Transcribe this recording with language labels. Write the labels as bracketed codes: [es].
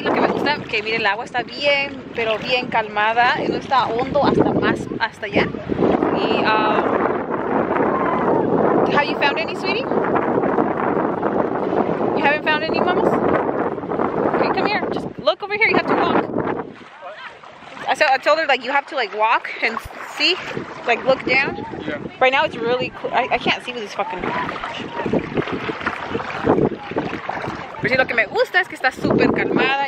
[es] Lo que me gusta, que miren, el agua está bien, pero bien calmada, no está hondo hasta más hasta allá. [en] Y have you found any, sweetie? You haven't found any, mamas? Okay, come here. Just look over here. You have to walk. I told her, like, you have to, like, walk and see. Like, look down. Yeah. Right now, it's really cool. I can't see with this fucking... [es] Pero sí, lo que me gusta es que está súper calmada.